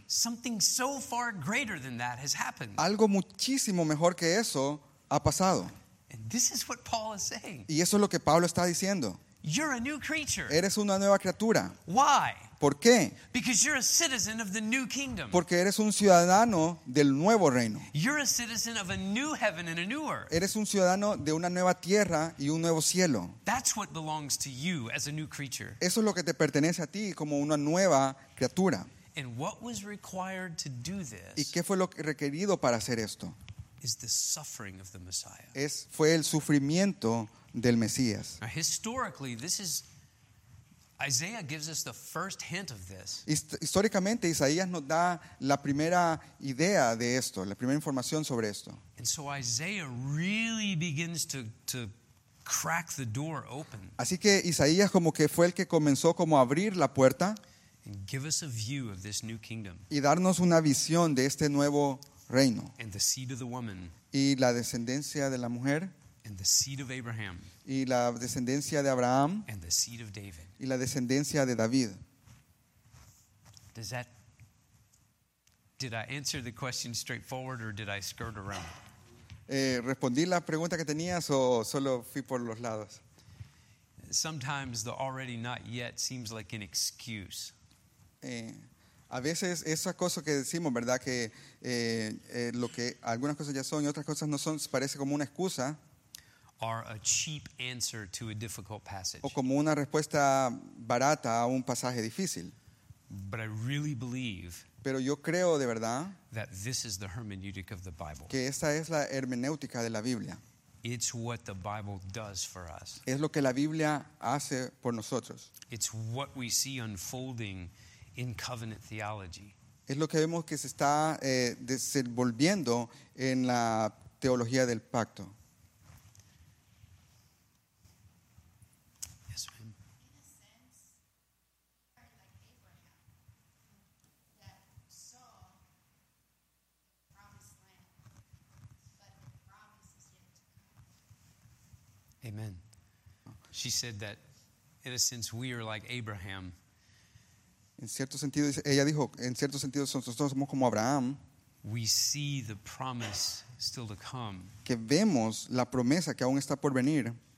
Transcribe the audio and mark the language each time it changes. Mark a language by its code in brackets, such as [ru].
[en] Something so far greater than that has happened. [es] Algo muchísimo mejor que eso ha pasado. [en] And this is what Paul is saying. [es] Y eso es lo que Pablo está diciendo. [en] You're a new creature. [es] Eres una nueva criatura. [en] Why? [es] ¿Por qué? [en] Because you're a citizen of the new kingdom. [es] Porque eres un ciudadano del nuevo reino. [en] You're a citizen of a new heaven and a new earth. [es] Eres un ciudadano de una nueva tierra y un nuevo cielo. [en] That's what belongs to you as a new creature. [es] Eso es lo que te pertenece a ti como una nueva criatura. [en] And what was required to do this? [es] ¿Y qué fue lo requerido para hacer esto? [en] Is the suffering of the Messiah. [es] Fue el sufrimiento del Mesías. [en] Now, historically, this is Isaiah gives us the first hint of this. [es] Históricamente, Isaías nos da la primera idea de esto, la primera información sobre esto. [en] And so Isaiah really begins to crack the door open. [es] Así que Isaías como que fue el que comenzó como a abrir la puerta. [en] And give us a view of this new kingdom. [es] Y darnos una visión de este nuevo reino. [en] And the seed of the woman. [es] Y la descendencia de la mujer. [en] And the seed of Abraham. [es] Y la descendencia de Abraham. [en] And the seed of David. [es] Y la descendencia de David. [en] Did I answer the question straightforward or did I skirt around? [es] ¿Respondí la pregunta que tenías o solo fui por los lados? [en] Sometimes the already not yet seems like an excuse. [es] A veces esas cosas que decimos, ¿verdad? Que lo que algunas cosas ya son y otras cosas no son, parece como una excusa. [en] Are a cheap answer to a difficult passage. [es] O como una respuesta barata a un pasaje difícil. [en] But I really believe. [es] Pero yo creo de verdad. [en] That this is the hermeneutic of the Bible. [es] Que esta es la hermenéutica de la Biblia. [en] It's what the Bible does for us. [es] Es lo que la Biblia hace por nosotros. [en] It's what we see unfolding in covenant theology. [es] Es lo que vemos que se está desenvolviendo en la teología del pacto. [en] Amen. She said that, in a sense, we are like Abraham. [es] En cierto sentido, ella dijo, en cierto sentido, nosotros somos como Abraham. [en] We see the promise still to come. [es] Que vemos la promesa que aún está por venir.